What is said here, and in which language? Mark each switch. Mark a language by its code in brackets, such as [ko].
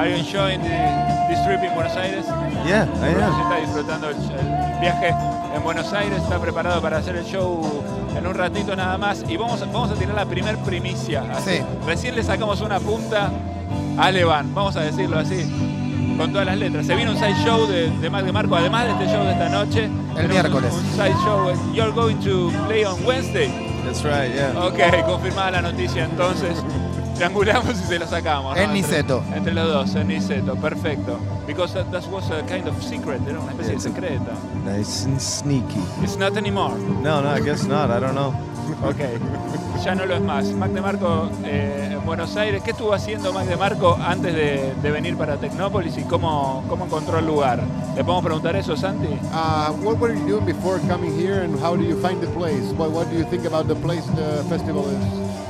[en] Are you enjoying this trip in Buenos Aires? Yeah, I am. [es] ¿Se está disfrutando el viaje en Buenos Aires? ¿Está preparado para hacer el show en un ratito nada más? Y vamos a tirar la primer primicia. Sí. Recién le sacamos una punta a Levan, vamos a decirlo así, con todas las letras. Se viene un side show de Mac DeMarco, además de este show de esta noche. El miércoles. Un side show. [en] You're going to play on Wednesday. That's right, yeah. [es] Ok, confirmada la noticia entonces. Triangulamos y se lo sacamos. En Niceto. Entre los dos, en Niceto, perfecto. [en] Because that was a kind of secret, [es] era una especie de secreto. [en] Nice and sneaky. It's not anymore. No, I guess not, I don't know. [es] Ok, ya no lo es más. Mac DeMarco en Buenos Aires. ¿Qué estuvo haciendo Mac DeMarco antes de venir para Tecnópolis y cómo encontró el lugar? ¿Le podemos preguntar eso, Santi? [en] What were you doing before coming here and how do you find the place? What do you think about the place the festival is?